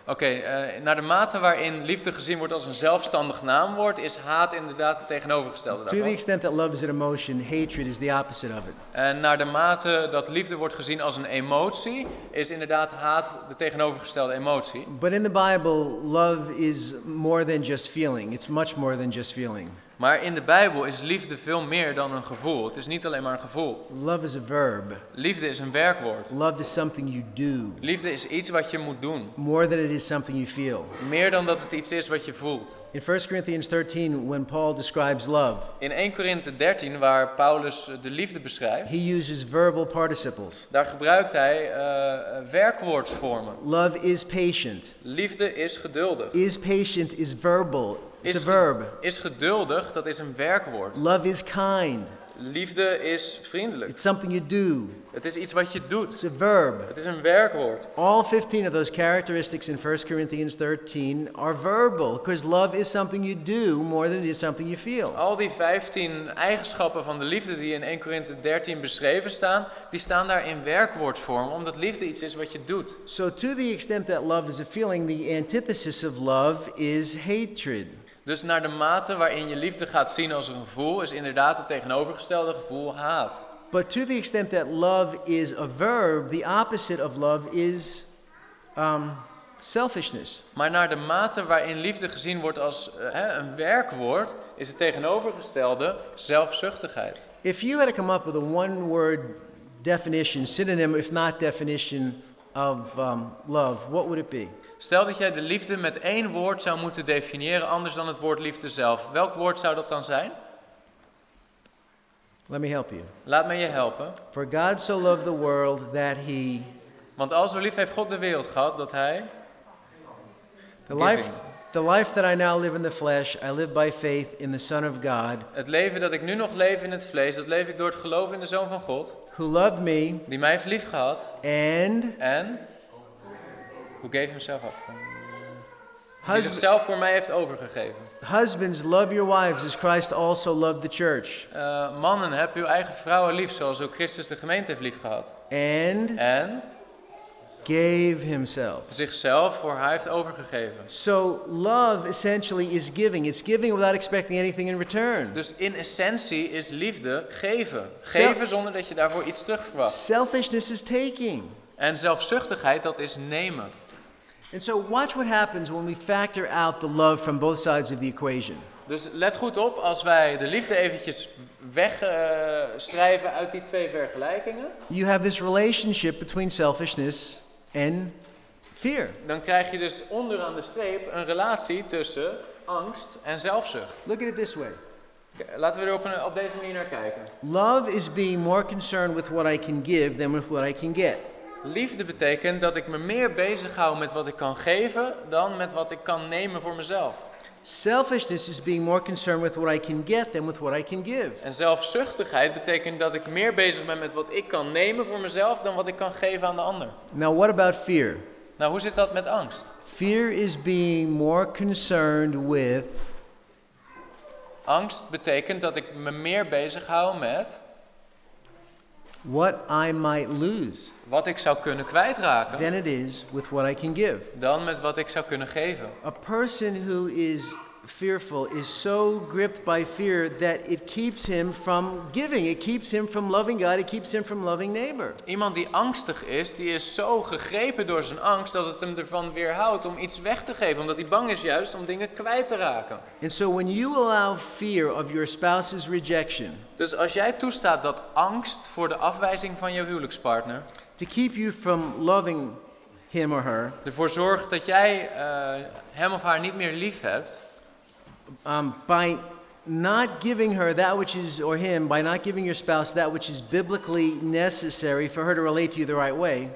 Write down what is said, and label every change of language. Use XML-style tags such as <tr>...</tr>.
<nl>Oké, naar de mate waarin liefde gezien wordt als een zelfstandig naamwoord, is haat inderdaad het tegenovergestelde daarvan.</nl> <en>To the extent that love is an emotion, hatred is the opposite of it.</en> <nl>En naar de mate dat liefde wordt gezien als een emotie, is inderdaad haat de tegenovergestelde emotie.</nl> <en>But in the Bible, love is more than just feeling. It's much more than just feeling.</en> <nl>Maar in de Bijbel is liefde veel meer dan een gevoel. Het is niet alleen maar een gevoel.</nl> <en>Love is a verb.</en> <nl>Liefde is een werkwoord.</nl> <en>Love is something you do.</en> <nl>Liefde is iets wat je moet doen.</nl> <en>More than it is something you feel.</en> <nl>Meer dan dat het iets is wat je voelt.</nl> <en>In 1 Corinthians 13, when Paul describes love.</en> <nl>In 1 Corinthe 13, waar Paulus de liefde beschrijft.</nl> <en>He uses verbal participles.</en> <nl>Daar gebruikt hij werkwoordsvormen.</nl> <en>Love is patient.</en> <nl>Liefde is geduldig.</nl> <en>Is patient is verbal. It's a verb.</en> <nl>Is geduldig, dat is een werkwoord.</nl> <en>Love is kind.</en> <nl>Liefde is vriendelijk.</nl> <en>It's something you do.</en> <nl>Het is iets wat je doet.</nl> <en>It's a verb.</en> <nl>Het is een werkwoord.</nl> <en>All 15 of those characteristics in 1 Corinthians 13 are verbal, because love is something you do more than it is something you feel.</en> <nl>Al die 15 eigenschappen van de liefde die in 1 Corinthe 13 beschreven staan, die staan daar in werkwoordvorm, omdat liefde iets is wat je doet.</nl> <en>So to the extent that love is a feeling, the antithesis of love is hatred.</en> <nl>Dus naar de mate waarin je liefde gaat zien als een gevoel, is inderdaad het tegenovergestelde gevoel haat.</nl> <en>But to the extent that love is a verb, the opposite of love is selfishness.</en> <nl>Maar naar de mate waarin liefde gezien wordt als een werkwoord, is het tegenovergestelde zelfzuchtigheid.</nl> <en>If you had to come up with a one-word definition, synonym, if not definition of love, what would it be?</en> <nl>Stel dat jij de liefde met één woord zou moeten definiëren, anders dan het woord liefde zelf. Welk woord zou dat dan zijn?</nl> <en>Let me help you.</en> <nl>Laat me je helpen.</nl> <en>For God so loved the world that he...</en> <nl>Want al zo lief heeft God de wereld gehad dat hij...</nl> <en>The life that I now live in the flesh, I live by faith in the Son of God.</en> <nl>Het leven dat ik nu nog leef in het vlees, dat leef ik door het geloof in de Zoon van God.</nl> <en>Who loved me.</en> <nl>Die mij heeft lief gehad.</nl> <en>And who gave himself up.</en> <nl>Die zichzelf voor mij heeft overgegeven.</nl> <en>Husbands, love your wives as Christ also loved the church.</en> <nl>Mannen, heb uw eigen vrouwen lief zoals ook Christus de gemeente heeft lief gehad.</nl> <en>And gave himself.</en> <nl>Zichzelf voor haar heeft overgegeven.</nl> <en>So love essentially is giving. It's giving without expecting anything in return.</en> <nl>Dus in essentie is liefde geven. Geven zonder dat je daarvoor iets terug verwacht.</nl> <en>Selfishness is taking.</en> <nl>En zelfzuchtigheid, dat is nemen.</nl> <en>And so watch what happens when we factor out the love from both sides of the equation.</en> <nl>Dus let goed op als wij de liefde eventjes wegschrijven uit die twee vergelijkingen.</nl> <en>You have this relationship between selfishness and fear.</en> <nl>Dan krijg je dus onderaan de streep een relatie tussen angst en zelfzucht.</nl> <en>Look at it this way.</en> <nl>Laten we er op deze manier naar kijken.</nl> <en>Love is being more concerned with what I can give than with what I can get.</en> <nl>Liefde betekent dat ik me meer bezighoud met wat ik kan geven dan met wat ik kan nemen voor mezelf.</nl> <en>Selfishness is being more concerned with what I can get than with what I can give.</en> <nl>En zelfzuchtigheid betekent dat ik meer bezig ben met wat ik kan nemen voor mezelf dan wat ik kan geven aan de ander.</nl> <en>Now what about fear?</en> <nl>Nou, hoe zit dat met angst?</nl> <en>Fear is being more concerned with...</en> <nl>Angst betekent dat ik me meer bezighoud met...</nl> <en>What I might lose.</en> <nl>Wat ik zou kunnen kwijtraken.</nl> <en>Then it is with what I can give.</en> <nl>Dan met wat ik zou kunnen geven.</nl> <en>A person who is fearful, is so gripped by fear that it keeps him from giving. It keeps him from loving God. It keeps him from loving neighbor.</en> <nl>Iemand die angstig is, die is zo gegrepen door zijn angst dat het hem ervan weerhoudt om iets weg te geven, omdat hij bang is juist om dingen kwijt te raken.</nl> <en>And so when you allow fear of your spouse's rejection.</en> <nl>Dus als jij toestaat dat angst voor de afwijzing van je huwelijkspartner.</nl> <en>To keep you from loving him or her.</en> <nl>Ervoor zorgt dat jij hem of haar niet meer lief hebt.</nl> <en>By not giving her that which is, or him, by not giving your spouse that which is biblically necessary for her to relate to you the right way.</en>